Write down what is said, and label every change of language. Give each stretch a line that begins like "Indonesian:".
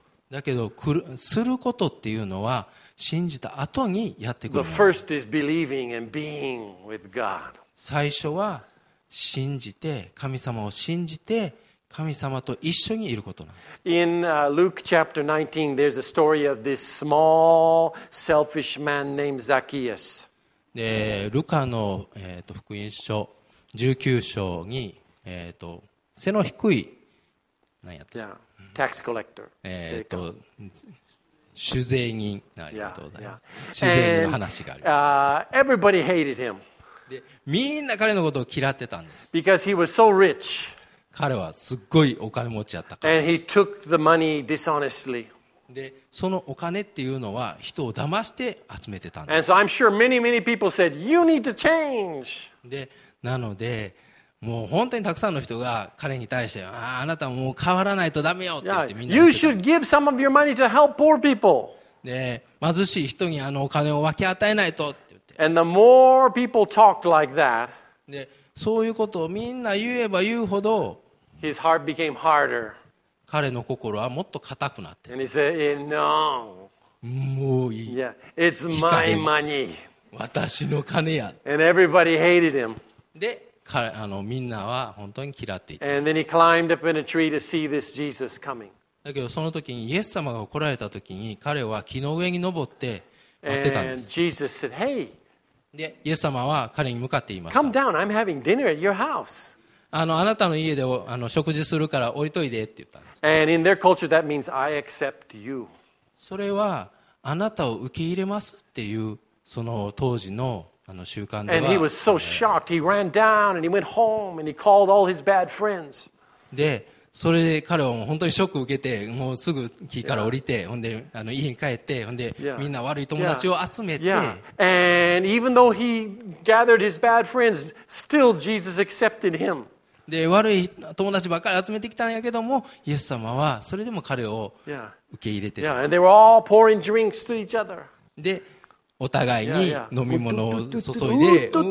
Japanese: だけどすることっていうのは信じた後にやってくる。
English: The first is believing and being with God.
Japanese: 最初は信じて、神様を信じて神様と一緒にいることなんです。
English: In Luke chapter 19 there's a story of this small selfish man named Zacchaeus.
Japanese: で、ルカの、福音書19章に、背の低い何やった
English: ？ Tax collector.
Japanese: 主税人。ありがとうございます。 Yeah. 主税人の話がある。
English: Everybody hated him.
Japanese: で、みんな彼のことを嫌ってたんです。
English: Because he was so rich.
Japanese: 彼はすっごいお金持ちだったから。
English: And he took the money dishonestly.
Japanese: で、そのお金っていうのは人を騙して集めてたんです。
English: And so I'm sure many, many people said, you need to change.
Japanese: で、なので、もう本当にたくさんの人が彼に対して、あなたもう変わらないとダメよって言ってみんな言ってた。
English: You should give some of your money to help poor people.
Japanese: で、貧しい人にあのお金を分け与えないとって言って。
English: And the more people talked like that,
Japanese: で、そういうことをみんな言えば言うほど
English: His heart became harder.
Japanese: 彼の心はもっと硬くなって
English: And he said, no.
Japanese: もういい、
English: yeah. It's my money.
Japanese: 私の金や。
English: And everybody hated him.
Japanese: で、あのみんなは本当に嫌っていた。
English: And then he climbed up in a tree to see this Jesus coming.
Japanese: だけどその時にイエス様が来られた時に彼は木の上に登って待ってたんです。
English: And Jesus said, hey.
Japanese: でイエス様は彼に向かって言いました。
English: Come down, I'm having dinner at your house.
Japanese: あなたの家で食事するから降りといでって言ったんです。
English: And in their culture, that means I accept you.
Japanese: それはあなたを受け入れますっていうその当時の習慣では
English: 。And he was so shocked. He ran down and he went home and he called all his bad friends.
Japanese: でそれで彼はもう本当にショックを受けて、もうすぐ木から降りて、ほんで家に帰って、ほんでみんな悪い友達を集めて、
English: And even though he gathered his bad friends, still Jesus accepted him.
Japanese: で悪い友達ばっかり集めてきたんやけども、イエス様はそれでも彼を受け入れて、
English: And they were all pouring drinks to each other.
Japanese: でお互いに飲み物を注いで、